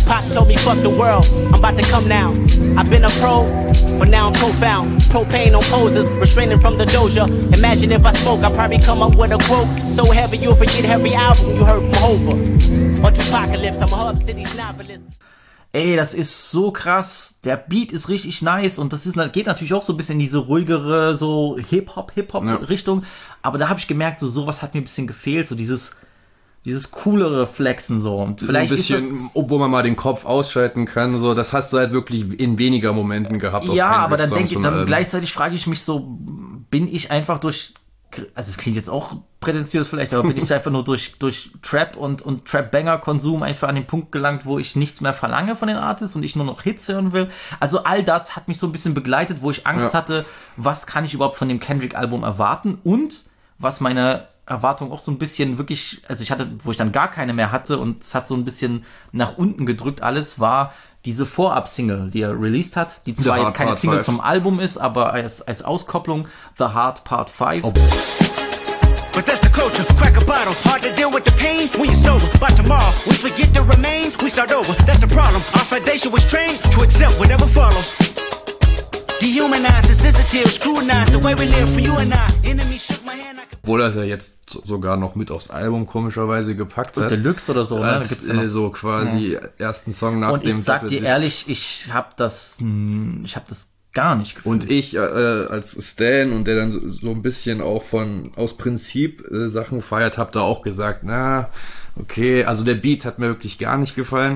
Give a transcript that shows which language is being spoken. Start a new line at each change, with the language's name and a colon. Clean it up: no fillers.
English: Pop told me fuck the world. I'm about to come now. I've been a pro, but now I'm profound. Propane on poses, restraining from the doja. Imagine if I spoke, I'd probably come up with a quote. So heavy you'll forget every album you heard from Hova. Bunch of apocalypse, I'm a Hub City's novelist.
German: Ey, das ist so krass. Der Beat ist richtig nice und das ist, geht natürlich auch so ein bisschen in diese ruhigere so Hip-Hop-Richtung. Aber da habe ich gemerkt, so sowas hat mir ein bisschen gefehlt, so dieses coolere Flexen so. Und vielleicht ein bisschen, obwohl man mal den Kopf ausschalten kann, so, das hast du halt wirklich in weniger Momenten gehabt. Ja, aber dann denke ich, dann gleichzeitig frage ich mich so, bin ich einfach durch, also es klingt jetzt auch prätentiös vielleicht, aber bin ich einfach nur durch Trap und Trap-Banger-Konsum einfach an den Punkt gelangt, wo ich nichts mehr verlange von den Artists und ich nur noch Hits hören will. Also all das hat mich so ein bisschen begleitet, wo ich Angst hatte, was kann ich überhaupt von dem Kendrick-Album erwarten und was meine Erwartung auch so ein bisschen wirklich, also ich hatte, wo ich dann gar keine mehr hatte und es hat so ein bisschen nach unten gedrückt alles, war diese Vorab-Single, die er released hat, die zwar jetzt keine Part Single 5. zum Album ist, aber als Auskopplung, The Hard Part 5.
English: But that's the culture, crack a bottle, hard to deal with the pain when you're sober. By tomorrow, we forget the remains, we start over, that's the problem. Our foundation was trained to accept whatever follows. Dehumanized, insensitive, scrutinized, the way we live for you and I. Enemy shook my hand, I could...
German: Obwohl er es ja jetzt sogar noch mit aufs Album komischerweise gepackt hat. Deluxe oder so, als, ne? Da gibt's ja noch, so quasi ersten Song nach und dem... Und ich sag dir ehrlich, ich hab das gar nicht gefühlt. Und ich als Stan und der dann so ein bisschen auch von aus Prinzip Sachen feiert, hab da auch gesagt, na, okay, also der Beat hat mir wirklich gar nicht gefallen.